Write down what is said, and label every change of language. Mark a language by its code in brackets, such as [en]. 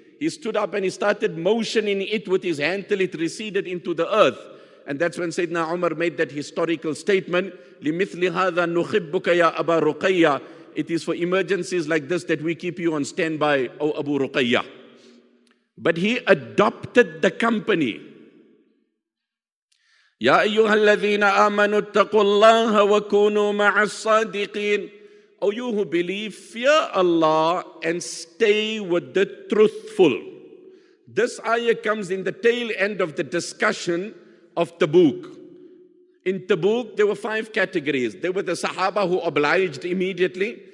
[en] He stood up and he started motioning it with his hand till it receded into the earth. And that's when Sayyidina Umar made that historical statement, [ar] لِمِثْلِ هَذَا نُخِبُّكَ يَا أَبَا رُقَيَّ. [en] It is for emergencies like this that we keep you on standby, O Abu Ruqayya. But he adopted the company. [ar] يا أيها الذين آمنوا اتقوا الله وكونوا مع الصادقين. [en] O you who believe, fear Allah and stay with the truthful. This ayah comes in the tail end of the discussion of Tabuk. In Tabuk, there were 5 categories. There were the Sahaba who obliged immediately.